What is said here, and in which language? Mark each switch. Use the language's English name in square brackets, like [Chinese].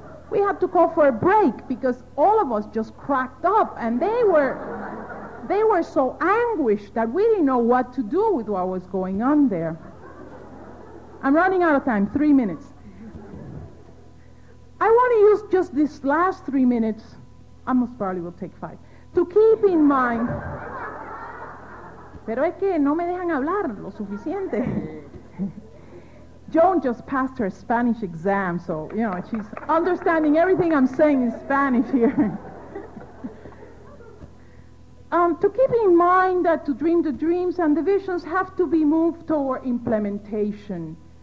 [English] We had to call for a break because all of us just cracked up, and they were so anguished that we didn't know what to do with what was going on there. I'm running out of time. 3 minutes. I want to use just this last 3 minutes. I most probably will take five. To keep in mind. [Spanish] Pero es que no me dejan hablar lo suficiente. [English] Joan just passed her Spanish exam, so, you know, she's understanding everything I'm saying in Spanish here. To keep in mind that to dream the dreams and the visions have to be moved toward implementation.